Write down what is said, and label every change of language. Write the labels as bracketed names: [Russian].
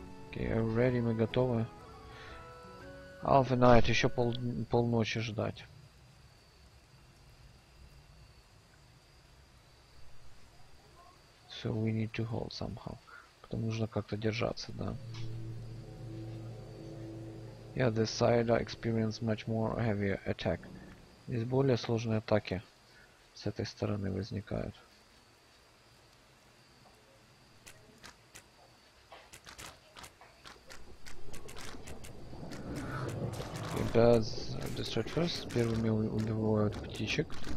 [English] Okay, ready, [Russian] мы готовы. [English] Half a night, [Russian] еще полночи ждать. [English] So we need to hold somehow. [Russian] Потом нужно как-то держаться, да. [English] Yeah, this side experience much more heavier attack. [Russian] Здесь более сложные атаки с этой стороны возникают. [English] Birds destroyed first. [Russian] Первыми убивают птичек.